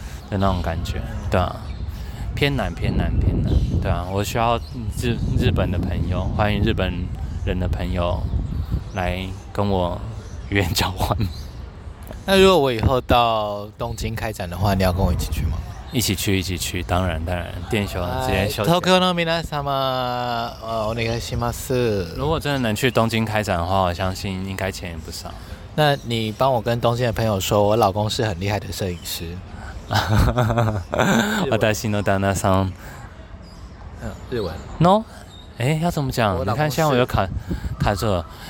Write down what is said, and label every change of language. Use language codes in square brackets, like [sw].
[zh] 的那种感觉，对啊，偏难，对啊，我需要日本的朋友，欢迎日本人的朋友来跟我语言交换。那如果我以后到东京开展的话，你要跟我一起去吗？一起去，当然，店休直接休息。 [ja] Tokyo no mina sama, お願いします。 [zh] 如果真的能去东京开展的话，我相信应该钱也不少。那你帮我跟东京的朋友说，我老公是很厉害的摄影师。 [ja] 私の旦那さん。 [zh] 日文。 No？ 要怎么讲？你看，现在我又卡住了。